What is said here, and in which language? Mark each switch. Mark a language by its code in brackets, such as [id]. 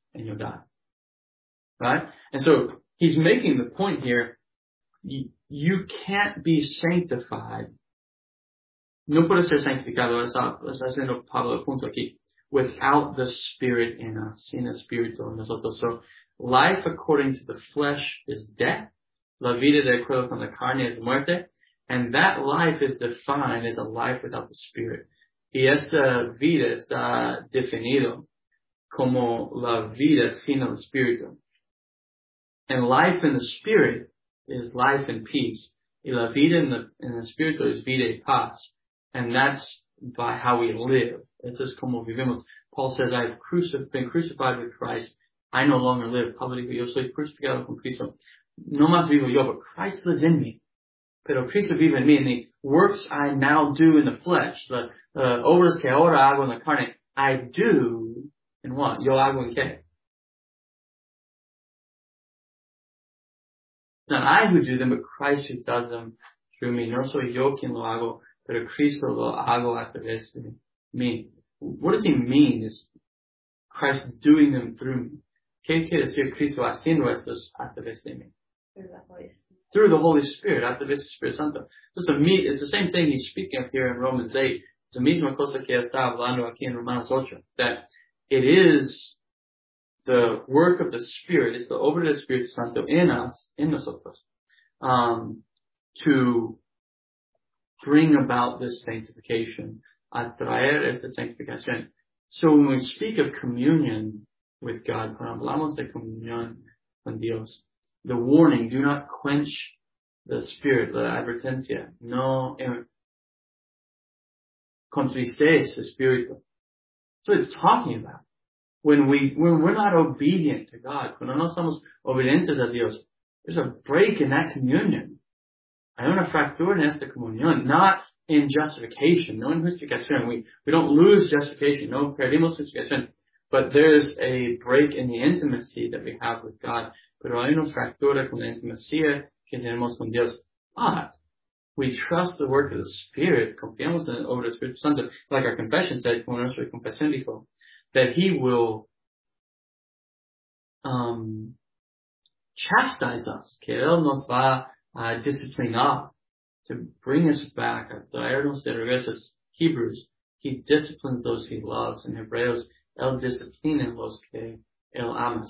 [en] And you'll die. Right? And so he's making the point here. You can't be sanctified. [es] No puede ser sanctificado. Estás haciendo Pablo el punto aquí. [en] Without the Spirit in us. [es] Sin espíritu en nosotros. [en] So life according to the flesh is death. [es] La vida de acuerdo con la carne es muerte. [en] And that life is defined as a life without the Spirit. [es] Y esta vida está definido como la vida sin el espíritu. [en] And life in the spirit is life and peace. [es] Y la vida en el espíritu es vida y paz. [en] And that's by how we live. It's just [es] como vivimos. [en] Paul says, I've been crucified with Christ. I no longer live publicly. [es] Yo soy crucificado con Cristo. No más vivo yo, [en] but Christ lives in me. [es] Pero Cristo vive en mí. [en] And the works I now do in the flesh, the [es] obras que ahora hago en la carne, [en] I do. And what? [es] Yo hago en qué? [en] Not I who do them, but Christ who does them through me. [es] No soy yo quien lo hago, pero Cristo lo hago a través de mí. [en] What does he mean? Is Christ doing them through me? [es] ¿Qué quiere decir Cristo haciendo estos a través de mí? [en] through the Holy Spirit, after this Spirit Santo. It's the same thing he's speaking of here in Romans 8. It's the [es] misma cosa que está hablando aquí en Romanos 8, [en] that it is the work of the Spirit, it's the [es] obra del Espíritu Santo [en] in us, in [es] nosotros, [en] to bring about this sanctification, [es] a traer esta sanctificación. [en] So when we speak of communion with God, [es] cuando hablamos de comunión con Dios, [en] the warning, do not quench the Spirit, [es] la advertencia, no contristes Espíritu. [en] So it's talking about when we're not obedient to God, [es] cuando no somos obedientes a Dios, [en] there's a break in that communion. [es] Hay una fractura en esta comunión, [en] not in justification, [es] no in justification. [en] We don't lose justification, [es] no perdimos justification. [en] But there's a break in the intimacy that we have with God. [es] Pero hay una fractura con la intimacía que tenemos con Dios. [en] But we trust the work of the Spirit, [es] confiamos en el obra del Espíritu Santo, [en] like our confession said, [es] como nuestra confesión dijo, [en] that he will chastise us, [es] que él nos va a disciplinar, [en] to bring us back, [es] a traernos de regreso, [en] Hebrews, he disciplines those he loves, [es] in Hebreos, él disciplina los que él ama.